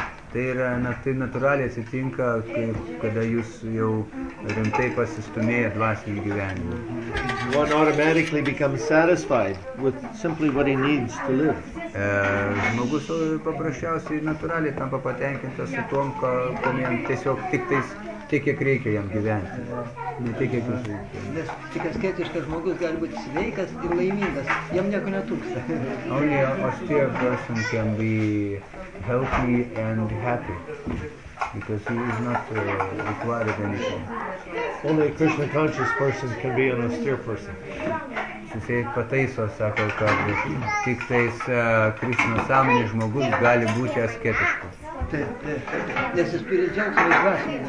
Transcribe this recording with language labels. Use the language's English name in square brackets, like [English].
[Lithuanian] Tai yra tai natūraliai atsitinka, kada jūs jau rimtai pasistumėjat dvasinį gyvenimą. [English] One automatically becomes satisfied with simply what he needs to live. [Lithuanian] Žmogus paprasčiausiai natūraliai tampa patenkintas su tom, ko jam tiesiog tik tais tiek, kiek reikia jam gyventi. Ne tiek, kiek jūs reikia. Nes tik asketiškas žmogus gali būti sveikas ir laimingas. Jam nieko netūksta. [English] Only austere person can be healthy and happy, because he is not required anything. Only a Krishna conscious person can be an austere person. [Lithuanian] Jisai pataiso, sako, kad tik tais Krishna sąmonės žmogus gali būti asketiškas. Nes jis turi džiaugsmą ir